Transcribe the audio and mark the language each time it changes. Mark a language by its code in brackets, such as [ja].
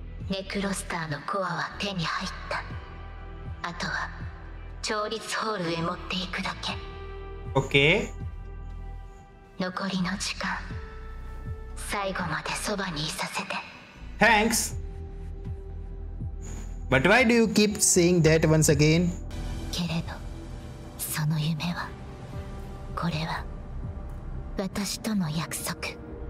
[ja] ネクロスターのコアは手に入った。あとは調律ホールへ持っていくだけ。 [en] Okay? [ja] 残りの時間、最後までそばにいさせて。 [en] Thanks! But why do you keep saying that once again? [ja] けれど、その夢は、これは私との約束。